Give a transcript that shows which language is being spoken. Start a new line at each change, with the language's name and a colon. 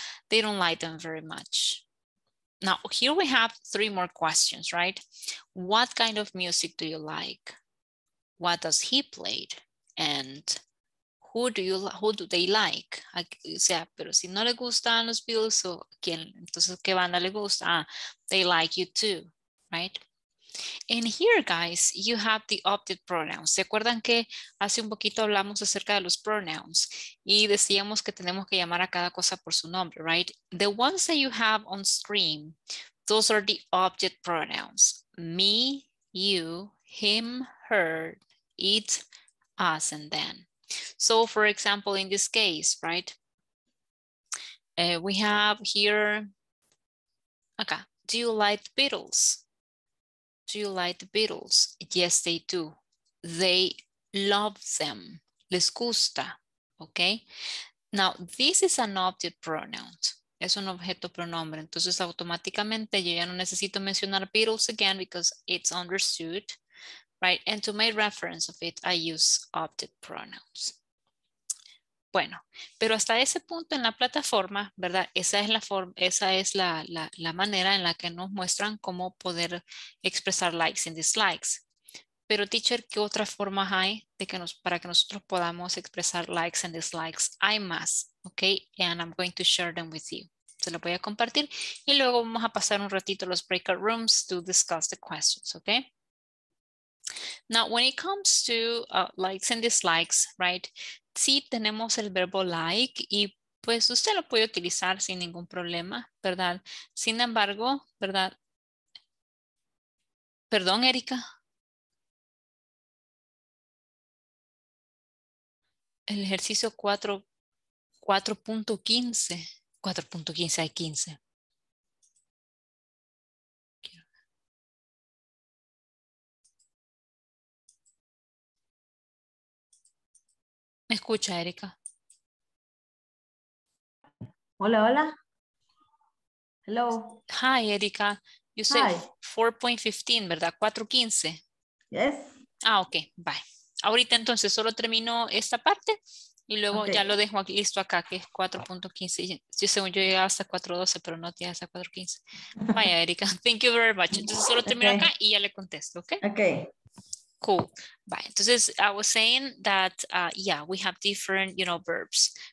English: They don't like them very much. Now, here we have three more questions, right? What kind of music do you like? What does he play? And who do they like?
Spanish: O sea, pero si no le gustan los Beatles, o quien, entonces, ¿qué banda le gusta?
English: Ah, they like you too, right? And here, guys, you have the opted pronouns.
Spanish: ¿Se acuerdan que hace un poquito hablamos acerca de los pronouns? Y decíamos que tenemos que llamar a cada cosa por su nombre, right?
English: The ones that you have on screen, those are the object pronouns. Me, you, him, her, it, us, and then. So, for example, in this case, right? We have here, okay, do you like the Beatles? Do you like the Beatles? Yes, they do. They love them.
Spanish: Les gusta.
English: Okay. Now, this is an object pronoun.
Spanish: Es un objeto pronombre. Entonces, automáticamente, yo ya no necesito mencionar Beatles
English: again because it's understood, right? And to make reference of it, I use object pronouns.
Spanish: Bueno, pero hasta ese punto en la plataforma, ¿verdad? Esa es la forma, esa es la manera en la que nos muestran cómo poder expresar
English: likes and dislikes.
Spanish: Pero teacher, ¿qué otras formas hay de que para que nosotros podamos expresar
English: likes and dislikes?
Spanish: Hay más, ¿ok?
English: And I'm going to share them with you.
Spanish: Se lo voy a compartir y luego vamos a pasar un ratito a los breakout rooms
English: to discuss the questions,
Spanish: ¿ok?
English: Now, when it comes to likes and dislikes, right?
Spanish: Sí, tenemos el verbo like y pues usted lo puede utilizar sin ningún problema, ¿verdad? Sin embargo, ¿verdad? Perdón, Erika. El ejercicio 4.15. ¿Me escucha, Erika? Hola, hola. Hello.
English: Hi, Erika. You said 4.15, ¿verdad? 4.15. Yes. Ah, ok. Bye.
Spanish: Ahorita entonces solo termino esta parte y luego okay. Ya lo dejo aquí, listo acá, que es 4.15. Yo según yo llegaba hasta 4.12, pero no tiene hasta 4.15.
English: Bye, Erika. Thank you very much.
Spanish: Entonces solo termino okay. Acá y ya le contesto, ¿ok?
English: Ok. Cool. Bye.
Spanish: Entonces,
English: I was saying that, yeah, we have different, you know, verbs.